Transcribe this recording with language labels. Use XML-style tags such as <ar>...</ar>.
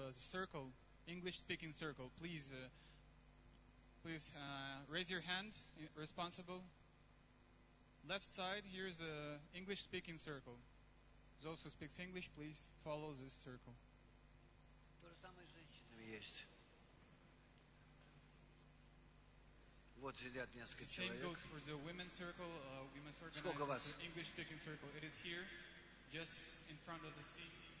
<en>Circle, English-speaking circle. Please, please raise your hand. Responsible. Left side. Here is a English-speaking circle. Those who speak English, please follow this circle.</en> <ru>То же самое с женщинами есть. Вот сидят несколько человек.</ru> <en>Same goes for the women's circle. We must organize.</en> <ru>Сколько вас?</ru> <en>English-speaking circle. It is here, just in front of the seat.</en>